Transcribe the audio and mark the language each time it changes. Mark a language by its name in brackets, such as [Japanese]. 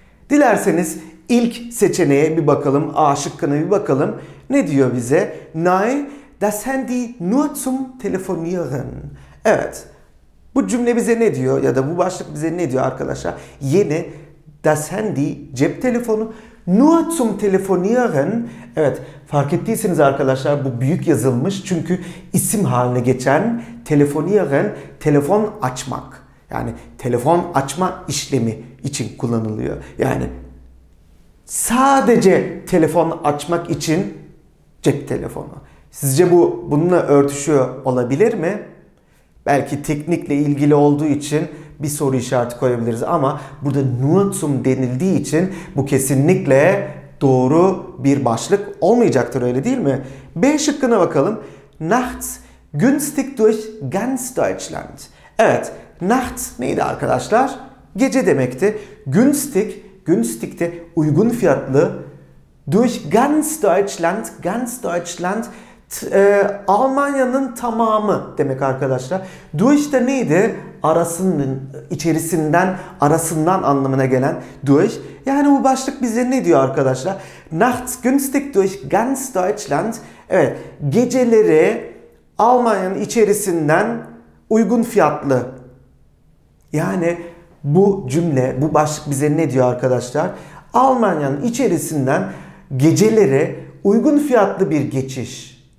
[Turkish] Dilerseniz ilk seçeneğe bir bakalım, A şıkkına bir bakalım. Ne diyor bize? [German] Nein, das Handy nur zum Telefonieren. [Turkish] Evet, bu cümle bize ne diyor ya da bu başlık bize ne diyor arkadaşlar? Yeni, [German] das Handy, [Turkish] cep telefonu, [German] nur zum Telefonieren. [Turkish] Evet, fark ettiyseniz arkadaşlar bu büyük yazılmış çünkü isim haline geçen Telefonieren, telefon açmak. Yani telefon açma işlemi için kullanılıyor. Yani sadece telefon açmak için cep telefonu. Sizce bu bununla örtüşüyor olabilir mi? Belki teknikle ilgili olduğu için bir soru işareti koyabiliriz ama burada nutum denildiği için bu kesinlikle doğru bir başlık olmayacaktır, öyle değil mi? B şıkkına bakalım. [German] Nachts günstig durch ganz Deutschland. [Turkish] Evet, nachts neydi arkadaşlar? Gece demekti. Günstig, günstig de uygun fiyatlı. [German] Durch ganz Deutschland, ganz Deutschland, [Turkish] Almanya'nın tamamı demek arkadaşlar. Durch de neydi? Arasının, içerisinden, arasından anlamına gelen durch. Yani bu başlık bize ne diyor arkadaşlar? [German] Nachts günstig durch ganz Deutschland. [Turkish] Evet, geceleri Almanya'nın içerisinden uygun fiyatlı. Yani bu cümle, bu başlık bize ne diyor arkadaşlar? Almanya'nın içerisinden geceleri uygun fiyatlı bir geçiş.